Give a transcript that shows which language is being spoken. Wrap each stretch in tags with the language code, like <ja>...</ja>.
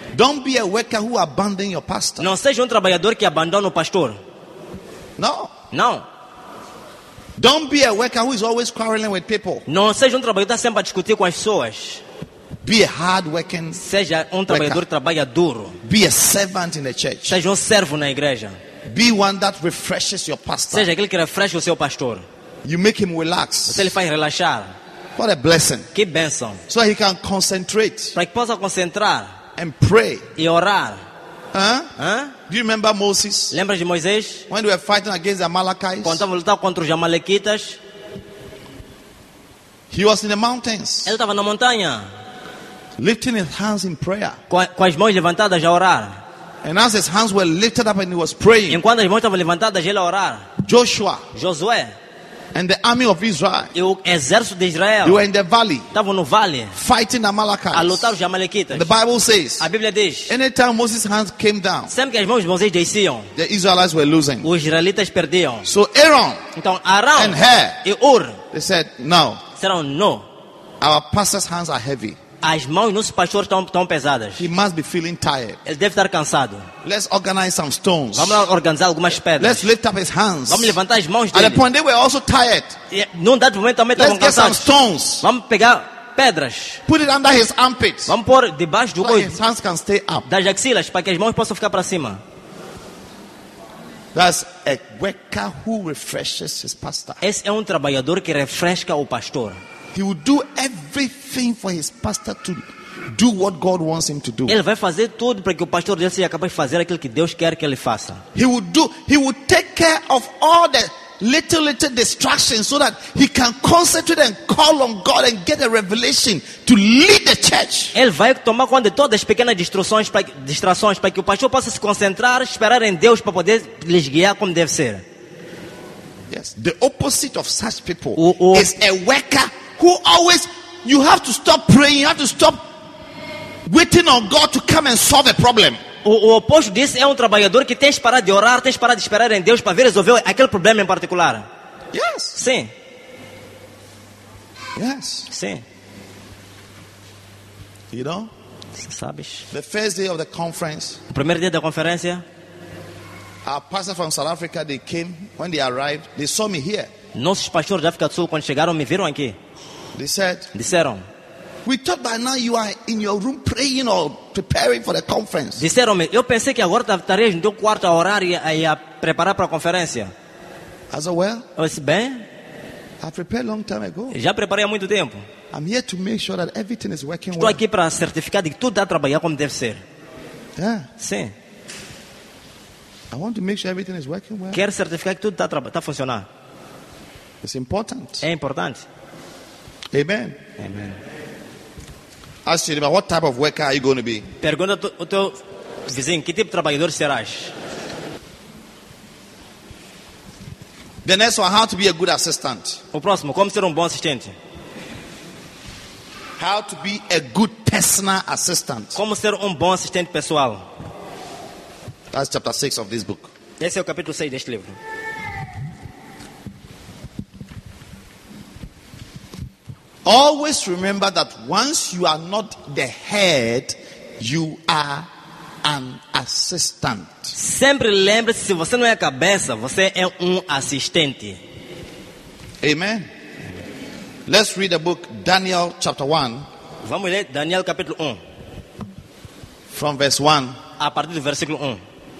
<en>Don't be a worker who abandon your pastor.</en> <pt>Não seja trabalhador que abandona o pastor.</pt> <en>No.</en> <pt>No.</pt> <en>Don't be a worker who is always quarreling with people.</en> <pt>Não seja trabalhador sempre a discutir com as pessoas.</pt> <en>Be a hard working.</en> <pt>Seja trabalhador</pt> <en>worker.</en> <pt>Trabalha duro.</pt> <en>Be a servant in the church.</en> <pt>Seja servo na igreja.</pt> <en>Be one that refreshes your pastor.</en> <pt>Seja aquele que refresca o seu pastor.</pt> <en>You make him relax.</en> <pt>Você lhe faz relaxar.</pt> <en>What a blessing.</en> <pt>Que bênção.</pt> <en>So he can concentrate.</en> <pt>Para que possa concentrar.</pt> <en>And pray.</en> <pt>E orar.</pt> <en>Do you remember Moses?</en> <pt>Lembra de Moisés?</pt> <en>When they were fighting against the Amalekites.</en> <pt>Quando estavam lutando contra os Amalequitas.</pt> <en>He was in the mountains.</en> <pt>Ele estava na montanha.</pt> <en>Lifting his hands in prayer.</en> <pt>Com as mãos levantadas a orar.</pt> <en>And as his hands were lifted up and he was praying.</en> <pt>Enquanto as mãos estavam levantadas ele a orar.</pt> <en>Joshua.</en> <pt>Josué.</pt> <en>and the army of Israel,</en> <pt>e o exército de Israel,</pt> <en>they were in the valley,</en> <pt>estavam no vale,</pt> <en>fighting Amalekites,</en> <pt>a lutar os Amalequitas.</pt> <en>The Bible says,</en> <pt>a Bíblia diz,</pt> <en>anytime Moses' hands came down,</en> <pt>sempre que as mãos de Moisés desciam,</pt> <en>the Israelites were losing.</en> <pt>Os israelitas perdiam.</pt> <en>So Aaron,</en> <pt>então Arão</pt> <en>and Hur,</en> <pt>e Ur,</pt> <en>they said no,</en> <pt>disseram no,</pt> <en>our pastor's hands are heavy.</en> <pt>As mãos do nosso pastor estão tão pesadas.</pt> <en>He must be feeling tired.</en> <pt>Ele deve estar cansado.</pt> <en>Let's organize some stones.</en> <pt>Vamos organizar algumas pedras.</pt> <en>Let's lift up his hands.</en> <pt>Vamos levantar as mãos dele.</pt> <en>At the point they were also tired.</en> <pt>Num dado momento também estavam cansados.</pt> <en>Let's get some stones.</en> <pt>Vamos pegar pedras.</pt> <en>Put it under his armpits.</en> <pt>Vamos pôr debaixo do</pt> <en>coelho. So his hands can stay up.</en> <pt>Das axilas, para que as mãos possam ficar para cima.</pt> <en>That's a worker who refreshes his pastor.</en> <pt>Esse é trabalhador que refresca o pastor.</pt> <en>He will do everything for his pastor to do what God wants him to do.</en> <pt>Ele vai fazer tudo para que o pastor dele seja capaz de fazer aquilo que Deus quer que ele faça.</pt> <en>He will take care of all the little distractions so that he can concentrate and call on God and get a revelation to lead the church.</en> <pt>Ele vai tomar conta de todas as pequenas distrações para que o pastor possa se concentrar, esperar em Deus para poder lhes guiar como deve ser.</pt> <en>Yes, the opposite of such people is a worker who always, you have to stop praying, you have to stop waiting on God to come and solve a problem.</en> <pt>O oposto disso é trabalhador que tem que parar de orar, tem que parar de esperar em Deus para ver resolver aquele problema em particular.</pt> <en>Yes.</en> <pt>Sim.</pt> <en>Yes.</en> <pt>Sim.</pt> <en>You know?</en> <pt>Você sabes?</pt> <en>The first day of the conference.</en> <pt>O primeiro dia da conferência.</pt> <en>Our pastor from South Africa, they came, when they arrived, they saw me here.</en> <pt>Nossos pastores da África do Sul, quando chegaram, me viram aqui.</pt> <en>They said,</en> <pt>disseram,</pt> <en>we thought by now you are in your room praying or preparing for the conference.</en> <pt>Disseram, eu pensei que agora estarias no teu quarto a orar e a preparar para a conferência.</pt> <en>As well,</en> <pt>eu disse, bem,</pt> <en>I prepared long time ago.</en> <pt>Já preparei há muito tempo.</pt> <en>I'm here to make sure that everything is working.</en> <pt>Estou aqui para certificar de que tudo está a trabalhar como deve ser.</pt> <en>Yeah.</en> <pt>Sim.</pt> <en>I want to make sure everything is working well.</en> <pt>Quero certificar que tudo está a funcionar.</pt> <en>It's important.</en> <pt>É importante.</pt> <en>Amen.</en> <pt>Amen.</pt> <en>Ask you, what type of worker are you going to be?</en> <pt>Pergunta ao teu vizinho, que tipo de trabalhador serás?</pt> <en>The next one, how to be a good assistant.</en> <pt>O próximo, como ser bom assistente.</pt> <en>How to be a good personal assistant.</en> <pt>Como ser bom assistente pessoal.</pt> <en>That's chapter 6 of this book.</en> <pt>Esse é o capítulo 6 deste livro.</pt> <en>Always remember that once you are not the head, you are an assistant.</en> <pt>Sempre lembre-se, se você não é a cabeça, você é assistente.</pt> <en>Amen. Let's read the book Daniel chapter 1.</en> <pt>Vamos ler Daniel capítulo 1.</pt> <en>From verse 1.</en> <pt>A partir do versículo 1.</pt>